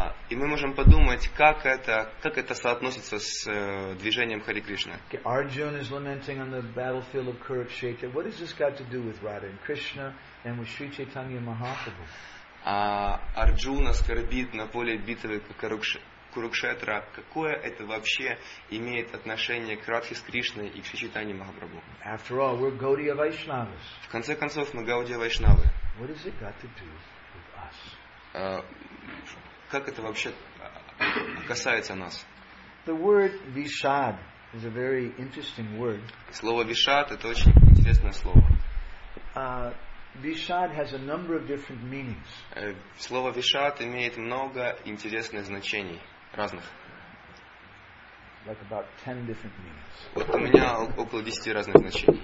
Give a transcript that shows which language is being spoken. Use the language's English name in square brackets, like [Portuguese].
[Russian] И мы можем подумать, как это соотносится с движением Хари Кришна. [English] Arjuna is lamenting on the battlefield of Kurukshetra. What has this got to do with Radha and Krishna and with Sri Chaitanya Mahaprabhu? [Russian] Arjuna скорбит на поле битвы Курукшетра. Какое это вообще имеет отношение к Радхе с Кришной и к Шри Чайтанье Махапрабху? [English] After all, we're Gaudiya Vaishnavas. [Russian] В конце концов, мы Гаудия Вайшнавы. [English] What has it got to do with us? [Russian] Как это вообще касается нас? [English] The word Vishad is a very interesting word. [Russian] Слово Вишад – это очень интересное слово. [English] Vishad has a number of different meanings. [Russian] Слово Vishad имеет много интересных значений, разных. [English] Like about 10 different meanings. [Russian] Вот у меня около 10 разных значений.